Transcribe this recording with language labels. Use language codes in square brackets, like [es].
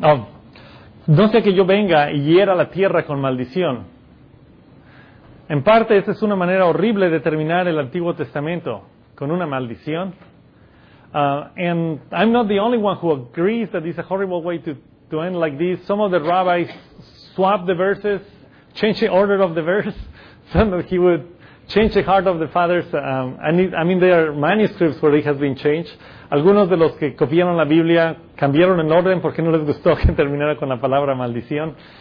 [es] Oh, no sea que yo venga y hiera la tierra con maldición. En parte, esta es una manera horrible de terminar el Antiguo Testamento, con una maldición. [en] And I'm not the only one who agrees that this is a horrible way to end like this. Some of the rabbis swap the verses, change the order of the verse, so that he would change the heart of the fathers. There are manuscripts where it has been changed. [es] Algunos de los que copiaron la Biblia cambiaron el orden porque no les gustó que terminara con la palabra maldición.